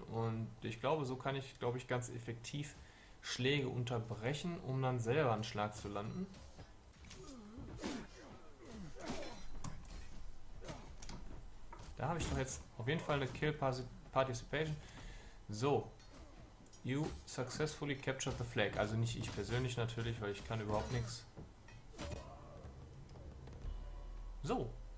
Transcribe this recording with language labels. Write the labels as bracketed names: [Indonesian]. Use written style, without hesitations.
[German] Und ich glaube, so kann ich, glaube ich, ganz effektiv Schläge unterbrechen, um dann selber einen Schlag zu landen. Da habe ich doch jetzt auf jeden Fall eine Kill Participation. So. [English] You successfully captured the flag. [German] Also nicht ich persönlich natürlich, weil ich kann überhaupt nichts. So.